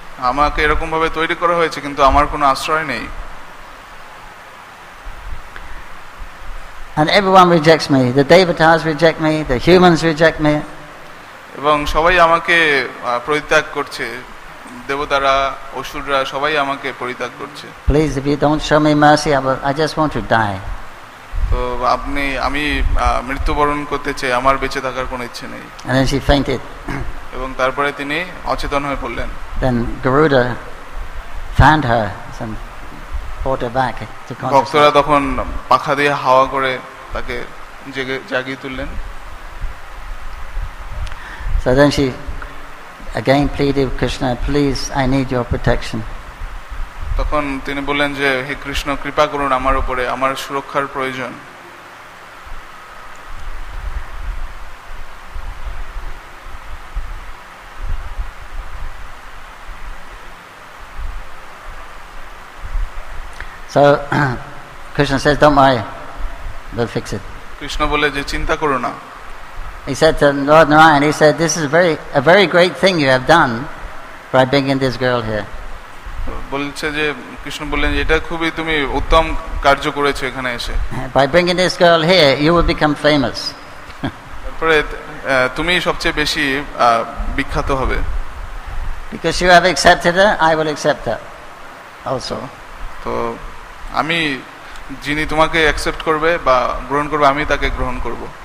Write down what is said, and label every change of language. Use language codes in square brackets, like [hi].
[bn] আমাকে এরকম ভাবে তৈরি করা হয়েছে কিন্তু আমার কোনো আশ্রয় নেই। [en] And everyone rejects me. The devatas reject me, the humans reject me. [bn] এবং সবাই আমাকে পরিত্যাগ করছে। দেবতারা, অসুররা সবাই আমাকে পরিত্যাগ করছে। [en] Please, if you don't show me mercy, I just want to die. [bn] তো আপনি, আমি মৃত্যুবরণ করতে চাই, আমার বেঁচে থাকার কোনো ইচ্ছে নেই। [en] And then she fainted. [bn] এবং তারপরে তিনি অচেতন হয়ে পড়লেন। [en] Then Garuda found her and brought her back to consciousness. [bn] ভক্তরা তখন পাখা দিয়ে হাওয়া করে তাকে জাগিয়ে তুললেন। [en] So then she again pleaded with Krishna, "Please, I need your protection." [bn] তখন তিনি বললেন যে হে কৃষ্ণ, কৃপা করুন আমার উপরে, আমার সুরক্ষার প্রয়োজন। [en] So Krishna says, "Don't worry, we'll fix it." [bn] Krishna বলে যে চিন্তা করো না। [en] He said to Lord Narayan, he said, "This is a very great thing you have done by bringing this girl here." [bn] বলছে যে কৃষ্ণ বললেন যে এটা খুবই তুমি উত্তম কার্য করেছো এখানে এসে। [en] By bringing this girl here, you will become famous. [bn] তারপরে তুমি সবচেয়ে বেশি বিখ্যাত হবে। [en] Because you have accepted her, I will accept her also. [bn] তো আমি যিনি তোমাকে অ্যাকসেপ্ট করবে বা গ্রহণ করবে আমি তাকে গ্রহণ করব।